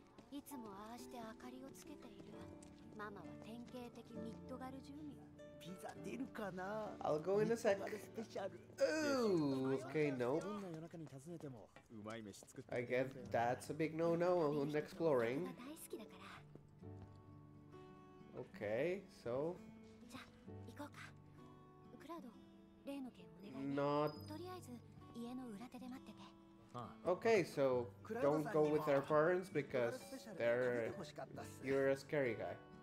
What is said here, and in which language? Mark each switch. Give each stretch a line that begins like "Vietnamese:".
Japanese: いつもああして明かりをつけている。ママは典型的ミッドガル住民。ピザ出るかな
English: ？I'll go in a sec. Ooh, okay, no.
Japanese: どんな夜中に訪ねてもうまい飯作って。
English: I guess that's a big no-no on exploring.
Japanese: 大好きだから。
English: Okay, so.
Japanese: じゃ行こうか。クラウド、例の件お願い。
English: Not.
Japanese: とりあえず家の裏手で待ってて。
English: Okay, so don't go with our parents because they're you're a scary guy.